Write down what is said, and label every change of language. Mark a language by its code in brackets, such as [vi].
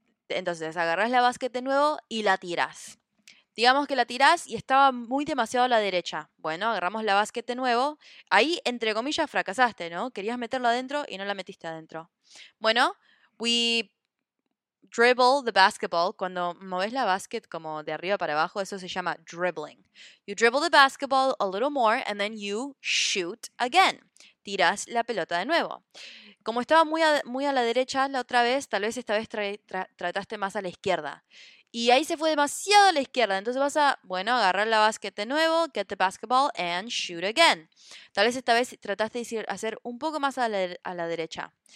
[es] Entonces agarrás la básquet de nuevo y la tirás. Digamos que la tirás y estaba muy demasiado a la derecha. Bueno, agarramos la básquet de nuevo. Ahí, entre comillas, fracasaste, ¿no? Querías meterla adentro y no la metiste adentro. Bueno, [en] dribble the basketball. [es] Cuando mueves la basket como de arriba para abajo, eso se llama dribbling. [en] You dribble the basketball a little more and then you shoot again. [es] Tiras la pelota de nuevo. Como estaba muy a la derecha la otra vez, tal vez esta vez trataste más a la izquierda. Y ahí se fue demasiado a la izquierda. Entonces vas a, bueno, agarrar la basket de nuevo, [en] get the basketball and shoot again. [es] Tal vez esta vez trataste de hacer un poco más a la derecha.